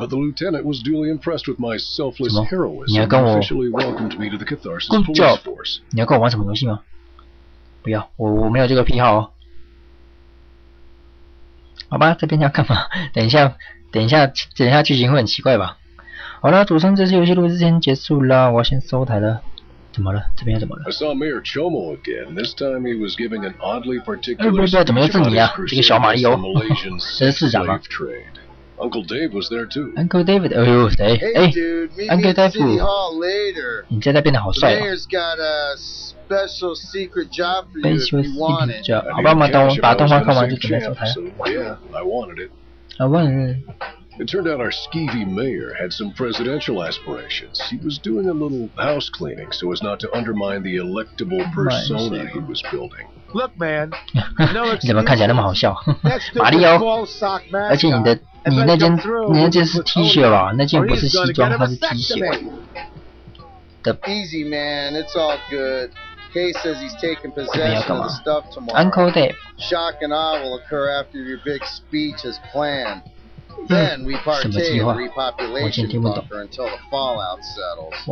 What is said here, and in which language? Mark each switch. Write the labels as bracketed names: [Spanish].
[English] But the lieutenant was duly impressed with my selfless heroism. [Chinese] 你要跟我 [English] officially welcomed me to the catharsis police force. [Chinese] 你要跟我玩什么游戏吗？不要，我没有这个癖好哦。好吧，这边要干嘛？等一下，剧情会很奇怪吧？好了，组成这次游戏录制前结束了，我要先收台了。怎么了？这边又怎么了？ [English] I saw Mayor Chomo again. This time he was giving an oddly particular. [Chinese] 哎，不知道怎么又是你啊，这个小马里奥，这是市长吗 [English] ？Uncle Dave was there too. [Chinese] Uncle David， 哎呦，谁？哎 ，Uncle [English] Dave， [Chinese] 你现在变得好帅了。 [English] Mayor's got a special secret job for you if you want it. [Chinese] 好吧，我等把动画看完就准备收台。 [English] Yeah, I wanted it. [Chinese] 啊，问。 [English] It turned out our skeevy mayor had some presidential aspirations. He was doing a little house cleaning so as not to undermine the electable persona he was building. Look, man. [Chinese] 你怎么看起来那么好笑？马里奥，而且你那件是 T 恤吧？那件不是西装，它是 T 恤。的 [English] Easy, man. It's all good. Kay says he's taking possession of the stuff tomorrow. Uncle Dave. Shock and awe will occur after your big speech as planned. Then we partake in repopulation bunker until the fallout settles.